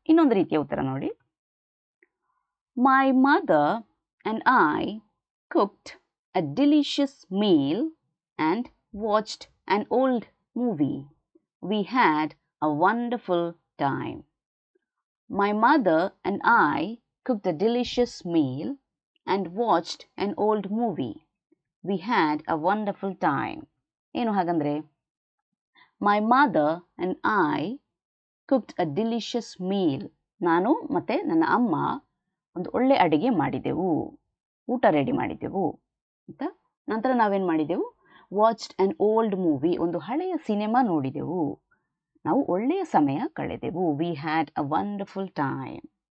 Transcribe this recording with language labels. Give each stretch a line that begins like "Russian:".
Kannada: ಇನ್ನೊಂದು ರೀತಿಯ ಉತ್ತರ ನೋಡಿ,
English: My mother and I cooked a delicious meal and watched an old movie, we had a wonderful time. My mother and I cooked a delicious meal and watched an old movie, We had a wonderful time.
Kannada: ಏನು ಹಾಗಂದ್ರೆ
English: My mother and I cooked a delicious meal.
Kannada: ನಾನು ಮತ್ತು ನನ್ನ ಅಮ್ಮ ಒಂದು ಒಳ್ಳೆ ಅಡುಗೆ ಮಾಡಿದೆವು, ಊಟ ರೆಡಿ ಮಾಡಿದೆವು ಅಂತ. ನಂತರ ನಾವೇನು ಮಾಡಿದೆವು,
English: watched an old movie,
Kannada: ಒಂದು ಹಳೆಯ ಸಿನಿಮಾ ನೋಡಿದೆವು. ನಾವು ಒಳ್ಳೆಯ ಸಮಯ ಕಳೆದೆವು.
English: We had a wonderful time.